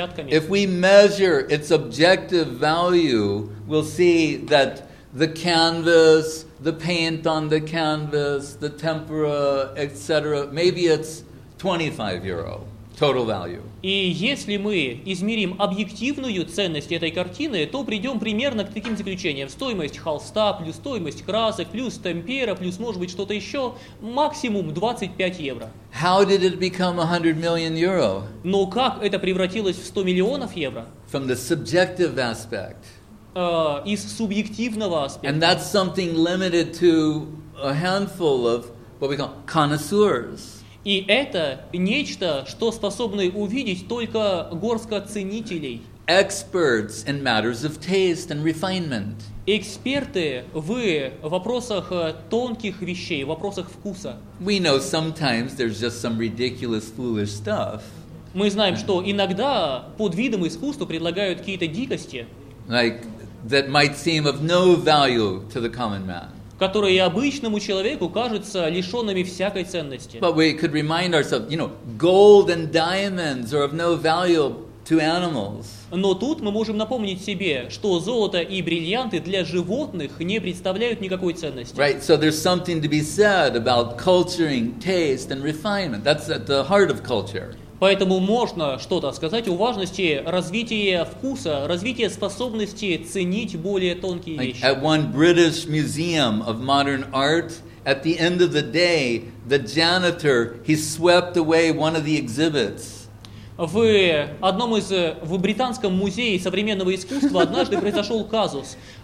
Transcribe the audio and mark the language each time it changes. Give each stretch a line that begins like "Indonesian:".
English: If we measure its objective value, we'll see that the canvas, the paint on the canvas, the tempera, etc. Maybe it's 25 euro total value.
Russian: И если мы измерим объективную ценность этой картины, то придем примерно к таким заключениям. Стоимость холста, плюс стоимость красок, плюс темпера, плюс, может быть, что-то еще, максимум 25 евро.
English: How did it become 100 million euro?
Russian: Но как это превратилось в 100 миллионов евро?
English: From the subjective aspect.
Russian: Из субъективного аспекта.
English: And that's something limited to a handful of what we call connoisseurs.
Russian: И это нечто, что способны увидеть только горстка ценителей.
English: Experts in matters of taste and refinement.
Russian: Эксперты в вопросах тонких вещей, в вопросах вкуса.
English: We know sometimes there's just some ridiculous, foolish stuff.
Russian: Мы знаем, что иногда под видом искусства предлагают какие-то дикости.
English: Like that might seem of no value to the common man.
Russian: Которые обычному человеку кажутся лишенными всякой ценности.
English: But we could remind ourselves, you know, gold and diamonds are of no value to animals.
Russian: Но тут мы можем напомнить себе, что золото и бриллианты для животных не представляют никакой ценности.
English: Right, so there's something to be said about culturing, taste and refinement. That's at the heart of culture.
Russian: Поэтому можно что-то сказать о важности развития вкуса, развития способности ценить более тонкие вещи.
English: At one British Museum of Modern Art, at the end of the day, the janitor, he swept away one of the exhibits.
Russian: В британском музее современного искусства однажды произошел казус.